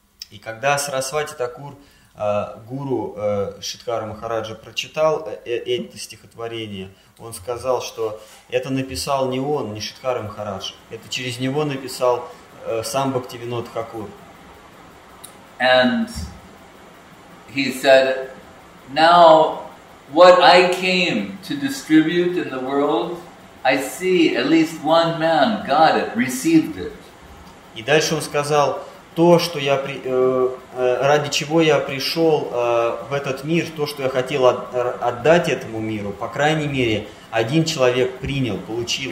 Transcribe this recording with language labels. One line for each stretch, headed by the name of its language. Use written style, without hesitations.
Russian: И когда Сарасвати Такур, гуру Шридхара Махараджа, прочитал это стихотворение, он сказал, что это написал не он, не Шридхара Махарадж, это через него написал сам Бхактивинода Тхакур.
English: And he said, now what I came to distribute in the world, I see at least one man got it, received it.
Russian: И дальше он сказал, то, что я ради чего я пришел в этот мир, то, что я хотел отдать этому миру, по крайней мере, один человек принял, получил.